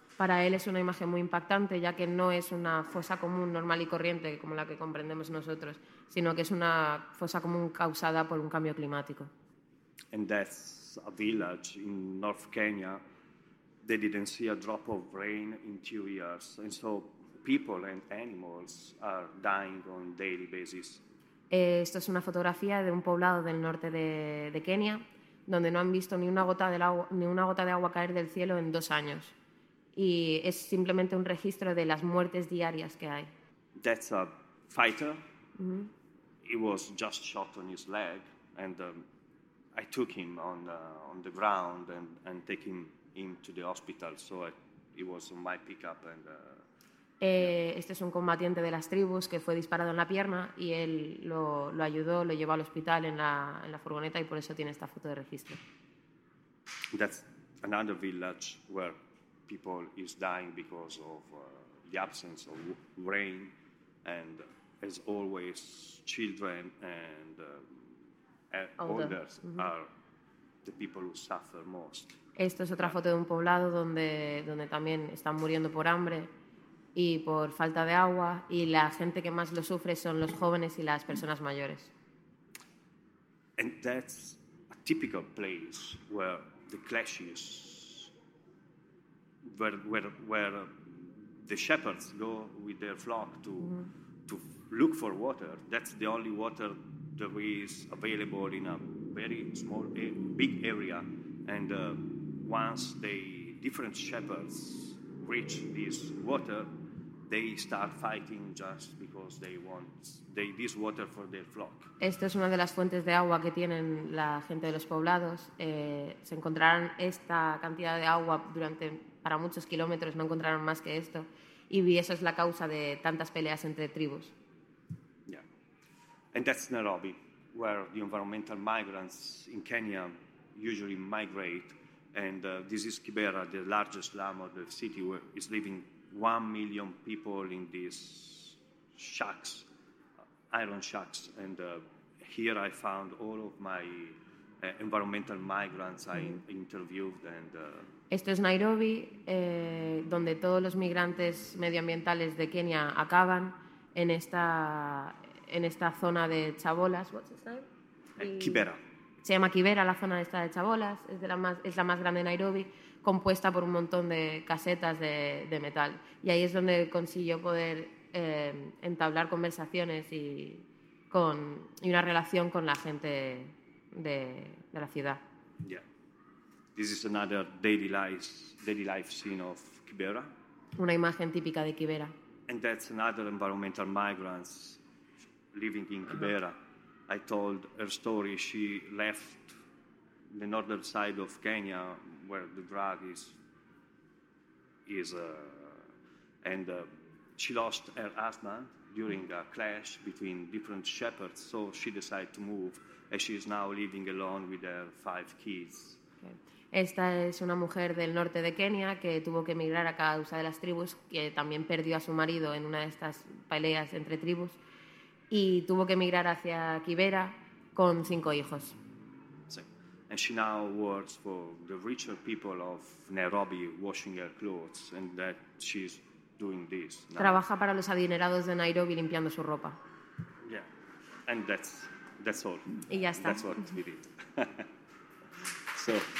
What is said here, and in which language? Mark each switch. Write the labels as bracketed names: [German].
[Spanish] Para él es una imagen muy impactante, ya que no es una fosa común normal y corriente como la que comprendemos nosotros, sino que es una fosa común causada por un cambio climático. [English] And that's a village in North Kenya. They didn't see a drop of rain in 2 years, and so people and animals are dying on a daily basis. [Spanish] Esto es una fotografía de un poblado del norte de Kenia, donde no han visto ni una gota de agua caer del cielo en 2 años. Y es simplemente un registro de las muertes diarias que hay. [English] That's a fighter. Mm-hmm. He was just shot on his leg, and I took him on the ground and taking him to the hospital. So he was on my pickup. And, [Spanish] este es un combatiente de las tribus que fue disparado en la pierna, y él lo ayudó, lo llevó al hospital en la furgoneta, y por eso tiene esta foto de registro. [English] That's another village where people is dying because of the absence of rain, and as always, children and older are the people who suffer most. [Spanish] Esto es otra foto de un poblado donde también están muriendo por hambre y por falta de agua, y la gente que más lo sufre son los jóvenes y las personas mayores. [English] And that's a typical place where the clashes, where the shepherds go with their flock to to look for water. That's the only water that is available in a very small, big area. And once the different shepherds reach this water, they start fighting just because they want this water for their flock. [Spanish] Esta es una de las fuentes de agua que tienen la gente de los poblados. Se encontrarán esta cantidad de agua durante para muchos kilómetros, no encontraron más que esto, y eso es la causa de tantas peleas entre tribus. [English] Yeah. And that's Nairobi, where the environmental migrants in Kenya usually migrate, and this is Kibera, the largest slum of the city, where is living 1 million people in these shacks, iron shacks, and here I found all of my environmental migrants I interviewed and [Spanish] esto es Nairobi, donde todos los migrantes medioambientales de Kenia acaban en esta zona de Chabolas. [English] What's his name? Kibera. [Spanish] Se llama Kibera, la zona esta de Chabolas, es la más grande de Nairobi, compuesta por un montón de casetas de metal. Y ahí es donde consiguió poder entablar conversaciones y una relación con la gente de la ciudad. [English] Yeah. This is another daily life scene of Kibera. [Spanish] Una imagen típica de Kibera. [English] And that's another environmental migrants living in Kibera. I told her story. She left the northern side of Kenya, where the drug is, and she lost her husband during a clash between different shepherds. So she decided to move, and she is now living alone with her 5 kids. [Spanish] Esta es una mujer del norte de Kenia que tuvo que emigrar a causa de las tribus, que también perdió a su marido en una de estas peleas entre tribus. Y tuvo que emigrar hacia Kibera con 5 hijos. Sí. [English] And she now works for the richer people of Nairobi, washing her clothes, and that she's doing this. Now. [Spanish] Trabaja para los adinerados de Nairobi limpiando su ropa. [English] Yeah, and that's all. [Spanish] Y ya está. [English] That's what we did. So.